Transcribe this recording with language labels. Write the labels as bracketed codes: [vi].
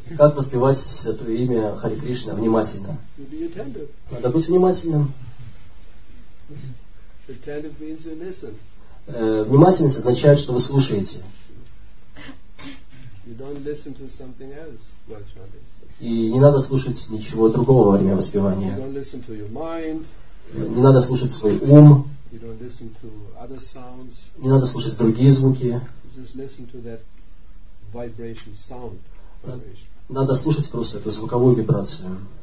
[ru] Как воспевать Святое Имя Харе Кришна внимательно? Надо быть внимательным. [en] Attentive means you listen. [ru] Внимательность означает, что вы слушаете. [en] You don't listen to something else while chanting. [ru] И не надо слушать ничего другого во время воспевания. [en] You don't listen to your mind. [ru] Не надо слушать свой ум. [en] You don't listen to other sounds. [ru] Не надо слушать другие звуки. [en] Just listen to that vibration sound. [ru] Надо слушать просто эту звуковую вибрацию.